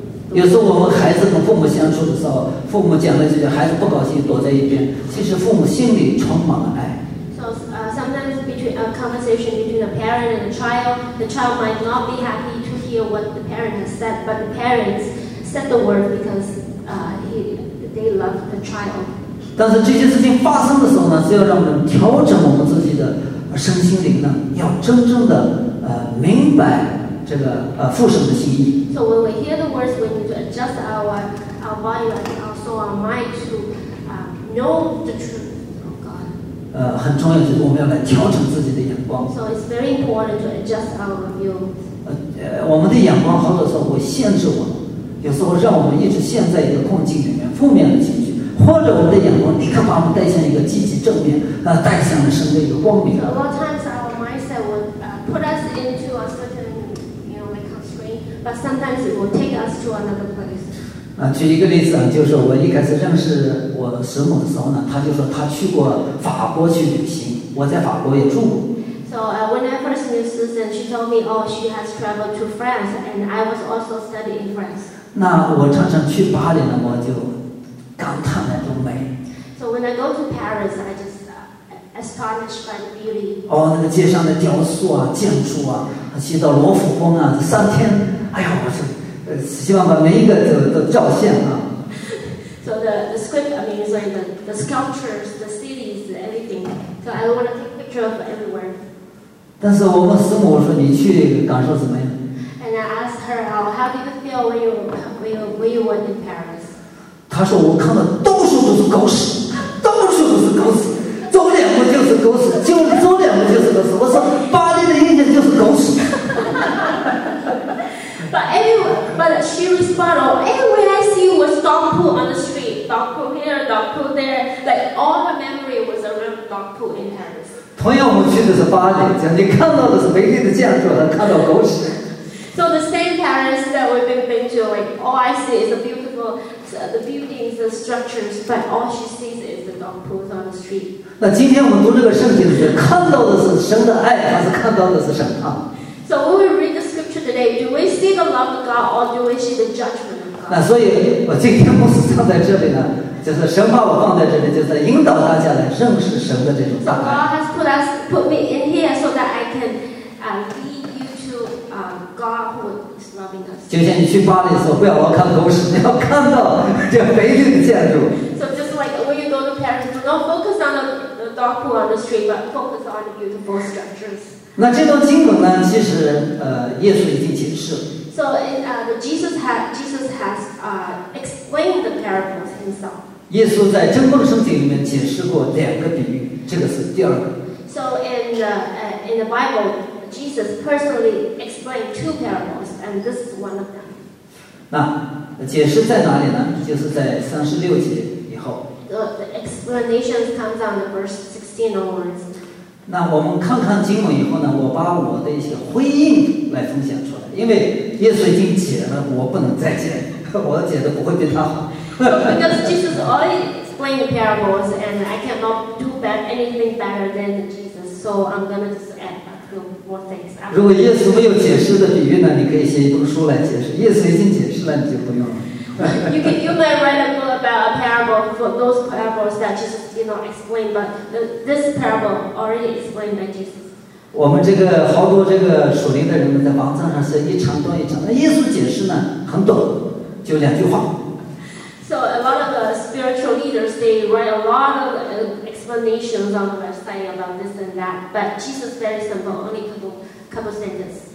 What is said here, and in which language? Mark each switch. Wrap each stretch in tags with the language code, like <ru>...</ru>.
<zh>有时候我们孩子跟父母相处的时候，父母讲了这些，孩子不高兴躲在一边，其实父母心里充满了爱。</zh> <en>Sometimes between a conversation between a parent and a child, the child might not be happy to hear what the parent has said, but the parents said the word because they love the child.</en> <zh>但是这些事情发生的时候呢，是要让我们调整我们自己的身心灵呢，要真正的明白这个父神的心意。</zh> <en>So when we hear the words, we need to adjust our body and also our mind to know the truth.</en> <zh>很重要的就是我们要来调整自己的眼光。</zh> <en>So it's very important to adjust our view.</en> <zh>我们的眼光好多时候会限制我们，有时候让我们一直陷在一个困境里面，负面的情绪，或者我们的眼光立刻把我们带向一个积极正面，带向了甚至一个光明。</zh> <en>So a lot of times our mindset would put us into a certain, constraint, but sometimes it will take us to another place.</en> <zh>举一个例子，就是我一开始认识我师母的时候呢，他就说他去过法国去旅行，我在法国也住过。</zh> <en>So when I first knew Susan, she told me, oh, she has traveled to France, and I was also studying in France.</en> <zh>那我常常去巴黎呢，我就感叹那种美。</zh> <en>So when I go to Paris, I just astonished by the beauty.</en> <zh>那个街上的雕塑啊，建筑啊，去到罗浮宫啊，三天，哎呀，我是。希望把每一个都照现啊。</zh> <en>So the script, I mean, sorry, the sculptures, the cities, everything. So I want to take picture of everywhere.</en> <zh>但是我问师母，我说你去感受怎么样</zh> <en>？And I asked her, how do you feel when you went in Paris?</en> <zh>她说我看到到处都是狗屎，到处都是狗屎，走两步就是狗屎，就走两步就是狗屎。我说巴黎的印象就是狗屎。</zh> <en>But she responded, oh, everywhere I see was dog poo on the street. Dog poo here, dog poo there. Like all her memory was around dog poo in Paris.</en> <zh>同样我们去的是巴黎，讲你看到的是美丽的建筑，能看到狗屎。</zh> <en>So the same Paris that we've been to, like all I see is a beautiful, the buildings, the structures, but all she sees is the dog poos on the street.</en> <zh>那今天我们读这个圣经，看到的是神的爱，还是看到的是审判？</zh> <en>So when we read the scripture today, do we see the love of God or do we see the judgment of God?</en> <zh>那所以我今天不是站在这里呢，就是神把我放在这里，就是引导大家来认识神的这种大爱。</zh> <en>God has put me in here so that I can lead you to God who is loving us.</en> <zh>就像你去巴黎的时候，不要光看狗屎，你要看到这美丽的建筑。</zh> <en>So just like when you go to Paris, don't focus on the dog poo on the street, but focus on the beautiful structures.</en> <zh>那这段经文呢，其实耶稣已经解释了。</zh> <en>So Jesus has explained the parables himself.</en> <zh>耶稣在真光圣经里面解释过两个比喻，这个是第二个。</zh> <en>So in the Bible, Jesus personally explained two parables, and this is one of them.</en> <zh>那解释在哪里呢？就是在36节以后。</zh> <en>The explanation comes on the verse 16 onwards.</en> <zh>那我们看看经文以后呢，我把我的一些回应来分享出来，因为耶稣已经解了，我不能再解，我解的不会比他好。</zh> <en>Because Jesus already explained the parables, and I cannot do anything better than Jesus, so I'm gonna just add a few more things.</en> <zh>如果耶稣没有解释的比喻呢，你可以写一本书来解释。耶稣已经解释了，你就不用了。</zh> <en>You might write a book about a parable for those parables that Jesus did not explain, but this parable already explained by Jesus.</en> <zh>我们这个好多这个属灵的人们在网站上是一长段一长，那耶稣解释呢很短，就两句话。</zh> <en>So a lot of the spiritual leaders they write a lot of explanations on the website about this and that, but Jesus very simple, only couple sentences.</en>